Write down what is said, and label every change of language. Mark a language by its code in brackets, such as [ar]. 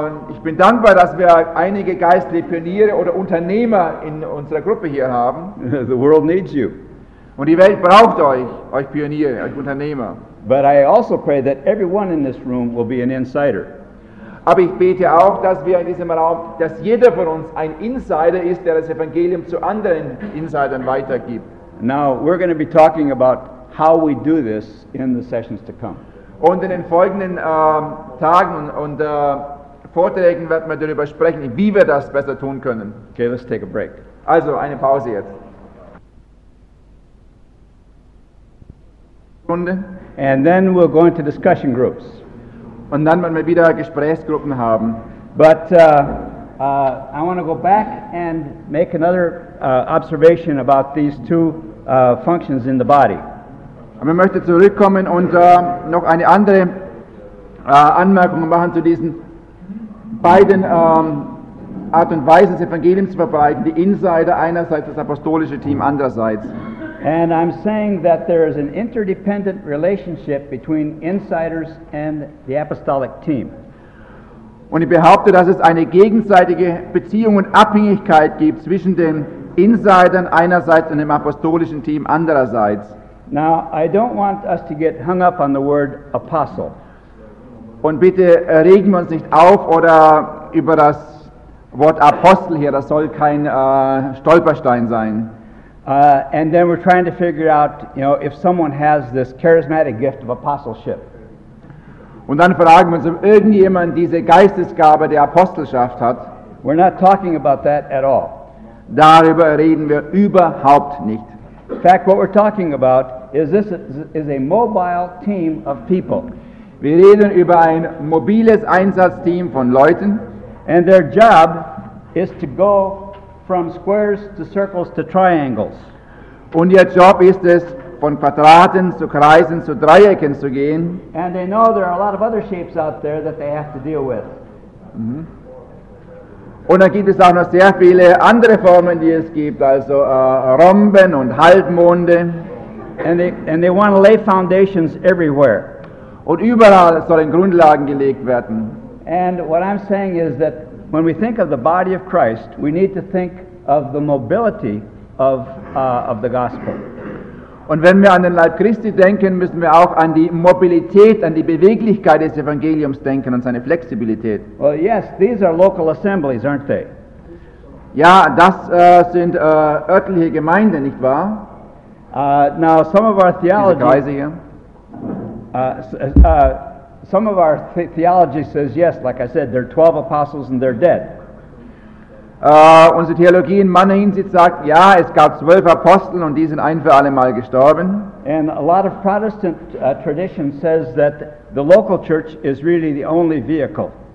[de] Ich bin dankbar, dass wir einige geistliche Pioniere oder Unternehmer in unserer Gruppe hier haben. [en] The world needs you. [de] Und die Welt braucht euch, euch Pioniere, euch Unternehmer. [en] But I also pray that everyone in this room will be an insider. [de] Aber ich bete auch, dass wir in diesem Raum, dass jeder von uns ein Insider ist, der das Evangelium zu anderen Insidern weitergibt. [en] Now we're going to be talking about how we do this in the sessions to come. [de] Und in den folgenden Tagen und Vorträgen wird man darüber sprechen, wie wir das besser tun können. [en] Okay, let's take a break. [de] Also eine Pause jetzt. [en] And then we'll go into discussion groups. [de] Und dann werden wir wieder Gesprächsgruppen haben. [en] But I want to go back and make another observation about these two functions in the body. [de] Aber ich möchte zurückkommen und noch eine andere Anmerkung machen zu diesen beiden Art und Weisen, das Evangelium zu verbreiten. Die Insider einerseits, das apostolische Team andererseits. [en] And I'm saying that there is an interdependent relationship between insiders and the apostolic team. [de] Und ich behaupte, dass es eine gegenseitige Beziehung und Abhängigkeit gibt zwischen den Insidern einerseits und dem apostolischen Team andererseits. [en] Now, I don't want us to get hung up on the word apostle. [de] Und bitte regen wir uns nicht auf oder über das Wort Apostel hier, das soll kein Stolperstein sein. [en] And then we're trying to figure out, you know, if someone has this charismatic gift of apostleship. [de] Und dann fragen wir uns, ob irgendjemand diese Geistesgabe der Apostelschaft hat. [en] We're not talking about that at all. [de] Darüber reden wir überhaupt nicht. [en] In fact, what we're talking about is this is a mobile team of people. [de] Wir reden über ein mobiles Einsatzteam von Leuten. [en] And their job is to go from squares to circles to triangles. [de] Und ihr Job ist es, von Quadraten zu Kreisen zu Dreiecken zu gehen. [en] And they know there are a lot of other shapes out there that they have to deal with. [de] Und dann gibt es auch noch sehr viele andere Formen, die es gibt, also Rhomben und Halbmonde. [en] And they want to lay foundations everywhere. [de] Und überall sollen Grundlagen gelegt werden. [en] And what I'm saying is that when we think of the body of Christ, we need to think of the mobility of the gospel. [de] Und wenn wir an den Leib Christi denken, müssen wir auch an die Mobilität, an die Beweglichkeit des Evangeliums denken und seine Flexibilität. [en] Well, yes, these are local assemblies, aren't they? [de] Ja, das sind örtliche Gemeinden, nicht wahr? [en] Now, some of our theology. [de] Diese Kreise hier. [en] Some of our theology says yes, like I said, there are 12 apostles and they're dead. [de] Unsere Theologie in meiner Hinsicht sagt, ja, es gab 12 Apostel und die sind ein für alle Mal gestorben. [en] And a lot of Protestant tradition says that the local church is really the only vehicle.